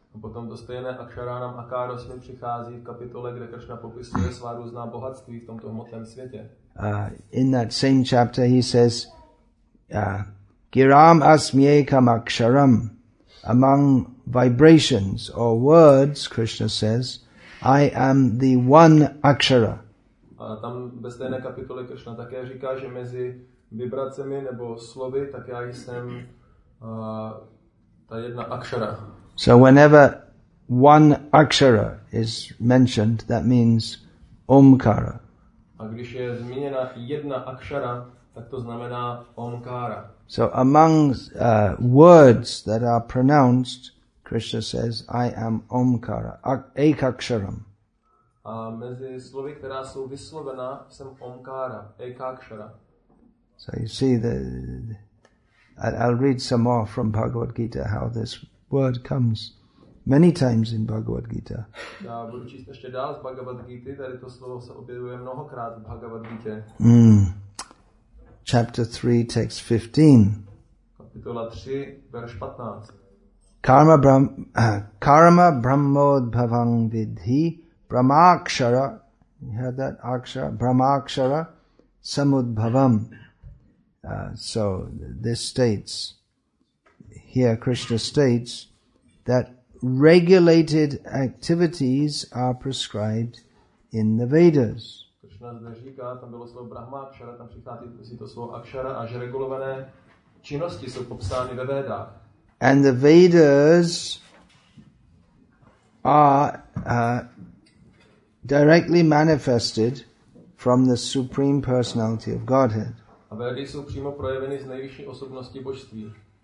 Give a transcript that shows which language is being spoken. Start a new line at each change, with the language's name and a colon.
Czech: A potom to stejné
Sanskrit: Aksharana Makaro Smi
Czech: přichází v kapitole, kde Krishna popisuje svá různá bohatství v tomto hmotném světě.
English: In that same chapter he says
Sanskrit: Giram Asmyekam Aksharam.
English: Among vibrations or words, Krishna says, I am the one akshara.
Czech: A tam ve stejné kapitole Krishna také říká, že mezi vibracemi nebo slovy, tak já jsem ta jedna akshara.
English: So whenever one akshara is mentioned, that means omkara.
Czech: A když je zmíněna jedna akshara, tak to znamená omkara.
English: So among words that are pronounced, Krishna says, I am Omkara, Ekaksharam.
Czech: A mezi slovy, která jsou vyslovena, jsem Omkara, Ekakshara.
English: So you see, I'll read some more from Bhagavad Gita, how this word comes many times in Bhagavad Gita.
Czech: Já budu číst ještě dál z Bhagavad Gita, tady to slovo se objevuje mnohokrát v Bhagavad Gita.
English: Chapter 3, text 15.
Czech: Kapitola 3, verš 15.
Sanskrit: Karma brahmod bhavang vidhi brahmakshara.
English: You heard that?
Sanskrit: Akshara? Brahmakshara samudbhavam.
English: So this states, here Krishna states, that regulated activities are prescribed in the Vedas.
Czech: Říká, tam bylo slovo Brahma, akšara, tam přichází to slovo akšara, a že regulované činnosti jsou popsány ve Vedách.
English: And the Vedas are directly manifested from the Supreme Personality of Godhead.
Czech: A Vedy jsou přímo projeveny z nejvyšší osobnosti božství.